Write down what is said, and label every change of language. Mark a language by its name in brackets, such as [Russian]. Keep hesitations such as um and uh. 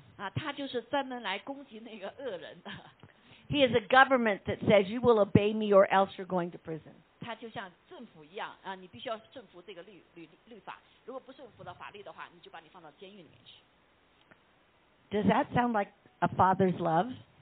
[Chinese] 啊，他就是专门来攻击那个恶人的。 [English] He is a government that says you will obey me or else you're going to prison. [Chinese] 他就像政府一样啊，你必须要顺服这个律律律法。如果不顺服的法律的话，你就把你放到监狱里面去。 [English] Does that sound like a father's love?